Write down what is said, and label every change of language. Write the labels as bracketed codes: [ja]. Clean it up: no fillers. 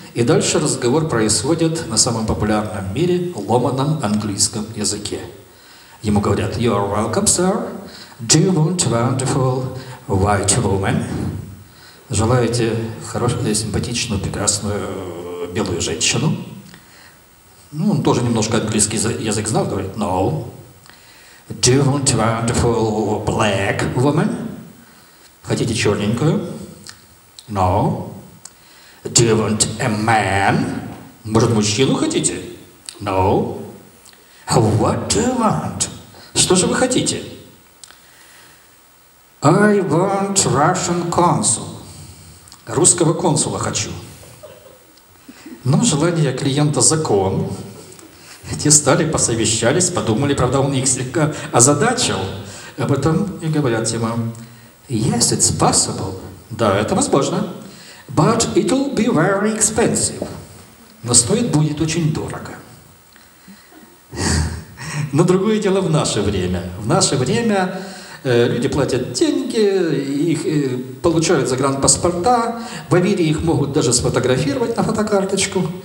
[ru] И дальше разговор происходит на самом популярном в мире ломаном английском языке. Ему говорят, [en] you are welcome, sir. Do you want a wonderful white woman? [ru] Желаете хорошую, симпатичную, прекрасную белую женщину? Ну, он тоже немножко английский язык знал, говорит, [en] no. Do you want a wonderful black woman? [ru] Хотите черненькую? [en] No. Do you want a man? [ru] Может, мужчину хотите? [en] No. What do you want? [ru] Что же вы хотите? [en] I want Russian consul. [ru] Русского консула хочу. Но желание клиента закон. Те стали, посовещались, подумали, правда, он их слегка озадачил. А потом и говорят ему, [en] yes, it's possible. [ru] Да, это возможно. [en] But it'll be very expensive. [ru] Но стоит будет очень дорого. Но другое дело в наше время. В наше время люди платят деньги, их получают загранпаспорта, в Америке их могут даже сфотографировать на фотокарточку.